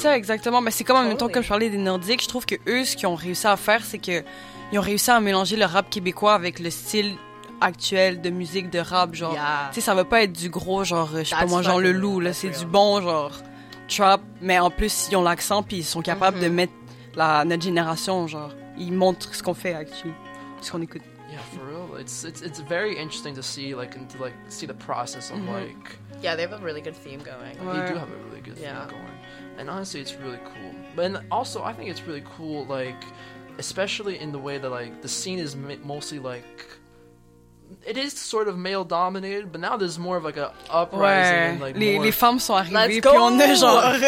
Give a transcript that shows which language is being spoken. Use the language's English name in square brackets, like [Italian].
[French] Ça exactement, mais c'est comme en même temps comme je parlais des Nordiques, je trouve que eux ce qu'ils ont réussi à faire, c'est que ils ont réussi à mélanger le rap québécois avec le style actuel de musique de rap, genre. [English] Yeah. [French] Tu sais, ça va pas être du gros genre, je sais pas moi, genre le loup là, c'est du bon genre trap, mais en plus ils ont l'accent puis ils sont capables mm-hmm. de mettre notre génération, genre ils montrent ce qu'on fait actuellement, ce qu'on écoute. [English] Yeah, for real. It's very interesting to see like and to like see the process of mm-hmm. like. Yeah, they have a really good theme going. They do have a really good theme going, and honestly, it's really cool. But also, I think it's really cool, like especially in the way that like the scene is mostly like. It is sort of male dominated, but now there's more of like a uprising. [French] Ouais. [English] And like [French] les femmes sont arrivées, puis on est genre